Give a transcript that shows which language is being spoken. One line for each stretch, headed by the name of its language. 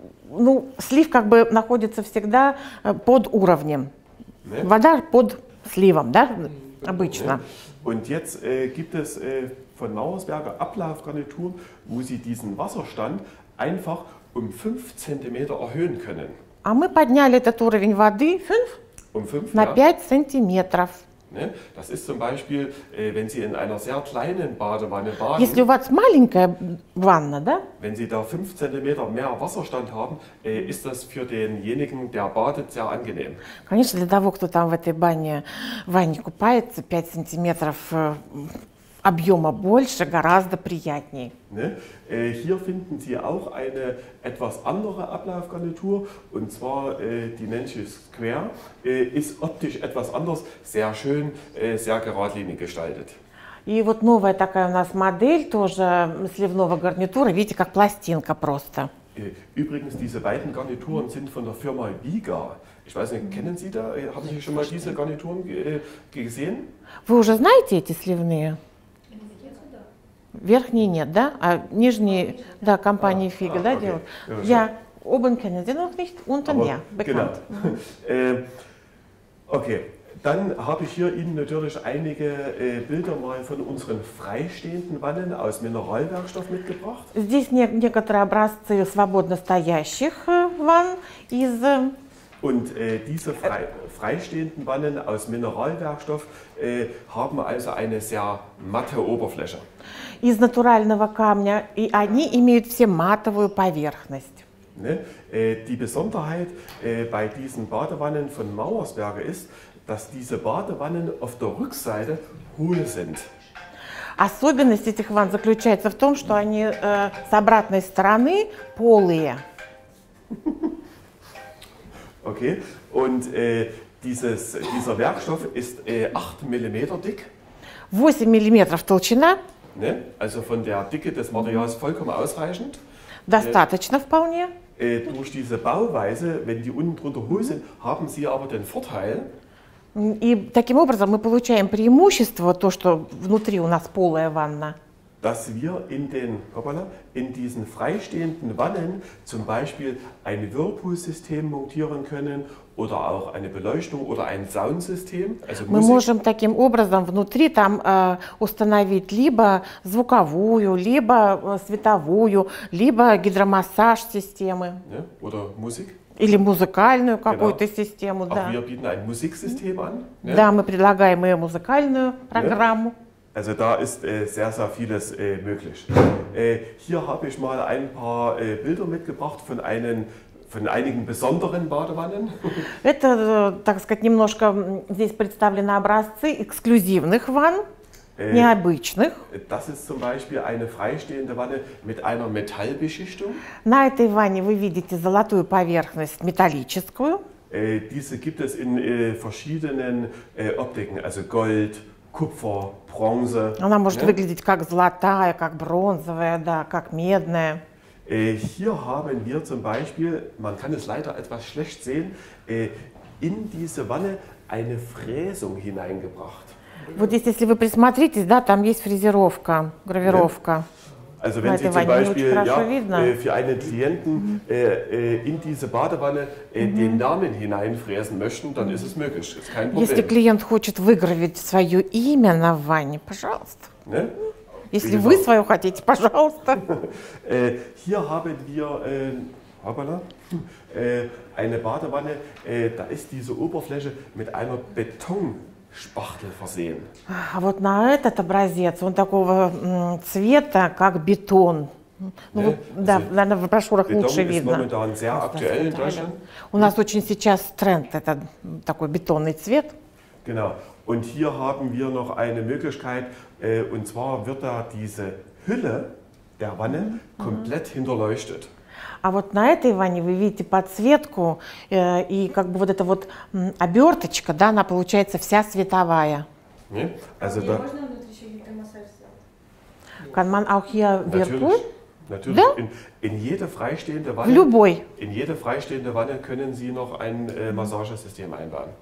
Russian: Ну, слив как бы находится всегда под уровнем. Вода под сливом, да? Обычно.
German: Und jetzt gibt es von Mauersberger Ablaufgarnitur, wo sie diesen Wasserstand einfach um 5 cm erhöhen können.
Russian: А мы подняли этот уровень воды 5
German: um 5
Russian: на 5 сантиметров.
German: Ne? Das ist zum Beispiel, wenn Sie in einer sehr kleinen Badewanne baden.
Russian: Если у вас маленькая ванна, да?
German: Wenn Sie da 5 cm mehr Wasserstand haben, ist das für denjenigen, der badet, sehr angenehm.
Russian: Конечно, для того, кто там в этой бане, в ванне купается, 5 сантиметров объема больше, гораздо приятней.
German: Ne? Hier finden Sie auch eine etwas andere Ablaufgarnitur, und zwar die Nenshi Square ist optisch etwas anders, sehr schön, sehr geradlinig gestaltet.
Russian: И вот новая такая у нас модель тоже сливного гарнитура, видите, как пластинка просто.
German: Übrigens, diese beiden Garnituren sind von der Firma Viga. Ich weiß nicht, kennen Sie da, haben Sie schon mal diese Garnituren gesehen?
Russian: Вы уже знаете эти сливные? Верхний нет, да? А нижний, да, компания Фига, да, делает? Я оба
German: kenne den noch nicht, unten ja, bekannt. Okay, dann habe ich hier Ihnen natürlich einige Bilder mal von unseren freistehenden Wannen aus Mineralwerkstoff mitgebracht.
Russian: Здесь некоторые образцы свободно стоящих ванн из...
German: Und diese freistehenden Wannen aus Mineralwerkstoff haben also eine sehr matte Oberfläche.
Russian: Из натурального камня, и они имеют все матовую поверхность.
German: Ne? Die Besonderheit bei diesen Badewannen von Mauersberger ist, dass diese Badewannen auf der Rückseite hohl sind.
Russian: Особенность этих ванн заключается в том, что они с обратной стороны полые.
German: Okay, und dieser Werkstoff ist 8 mm dick.
Russian: 8 mm толщина.
German: Ne? Also von der Dicke des Materials vollkommen ausreichend.
Russian: Достаточно вполне.
German: Durch diese Bauweise, wenn die unten drunter hohl sind, haben sie aber den Vorteil.
Russian: И таким образом мы получаем преимущество, то, что внутри у нас полая ванна.
German: Dass wir in den, hoppala, in diesen freistehenden Wannen zum Beispiel ein Whirlpool-System montieren können oder auch eine Beleuchtung oder ein Soundsystem. Also
Russian: мы можем таким образом внутри там установить либо звуковую, либо световую, либо гидромассаж-системы.
German: Ja, oder Musik.
Russian: Или музыкальную какую-то
German: genau.
Russian: систему,
German: auch
Russian: да.
German: Wir bieten ein Musiksystem an. Ja.
Russian: Да, мы предлагаем и музыкальную программу.
German: Ja. Also da ist sehr, sehr vieles möglich. Hier habe ich mal ein paar Bilder mitgebracht von einigen besonderen Badewannen.
Russian: Это, так сказать, немножко здесь представлены образцы эксклюзивных ванн, необычных.
German: Das ist zum Beispiel eine freistehende Wanne mit einer Metallbeschichtung.
Russian: На этой ванне вы видите золотую поверхность, металлическую.
German: Diese gibt es in verschiedenen Optiken, also Gold, Kupfer, Bronze.
Russian: Она может выглядеть как золотая, как бронзовая, да, как медная.
German: Hier haben wir zum Beispiel, man kann es leider etwas schlecht sehen, in diese Wanne eine Fräsung hineingebracht.
Russian: Вот здесь, если вы присмотритесь, да, там есть фрезеровка, гравировка.
German: Also wenn Sie zum Beispiel für einen Klienten in diese Badewanne den Namen hineinfräsen möchten, dann ist es möglich, ist kein Problem.
Russian: Если клиент хочет выгравить свое имя на ванне, пожалуйста.
German: Ne?
Russian: Если вы свое хотите, пожалуйста.
German: Hier haben wir eine Badewanne, da ist diese Oberfläche mit einer Betonspachtel versehen.
Russian: А вот на этот образец, он такого цвета, как бетон. Ну, да, наверное, в брошюрах лучше видно.
German: Бетон momentan sehr aktuell in Deutschland.
Russian: У нас очень сейчас тренд, это такой бетонный цвет.
German: Genau. Und hier haben wir noch eine Möglichkeit, und zwar wird da diese Hülle der Wanne komplett hinterleuchtet.
Russian: А вот на этой ванне вы видите подсветку, и как бы вот эта вот оберточка, да, она получается вся световая.
German: Ne? Also
Russian: можно внутри еще гидромассаж сделать?
German: Kann man auch hier Whirlpool? Natürlich. Yeah? In jede freistehende Wanne.
Russian: Любой.
German: In jede freistehende Wanne können Sie noch ein Massagesystem einbauen.